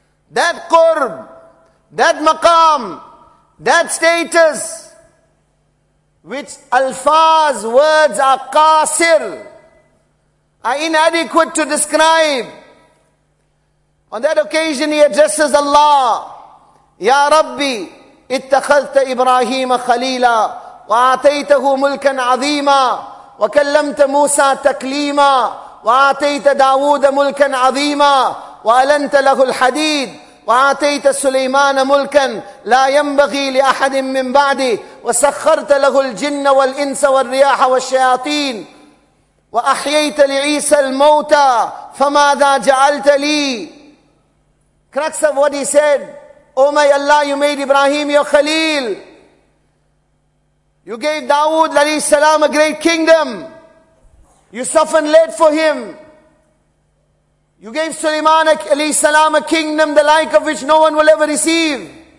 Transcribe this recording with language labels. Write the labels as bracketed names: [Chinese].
[English] That qurb, that maqam, that status, which alfaz, words are qasir, are inadequate to describe. On that occasion he addresses Allah, Ya Rabbi, [Arabic] اتخذت إبراهيم خليلا وآتيته ملكا عظيما وكلمت موسى تكليما وآتيت داود ملكا عظيما وألنت له الحديد وآتيت سليمان ملكا لا ينبغي لأحد من بعده وسخرت له الجن والإنس والرياح والشياطين وأحييت لعيسى الموتى فماذا جعلت لي. [English] Crux of what he said, oh my Allah, you made Ibrahim your Khalil. You gave Dawood alayhi salam a great kingdom. You softened lead for him. You gave Sulaiman alayhi salam a kingdom the like of which no one will ever receive.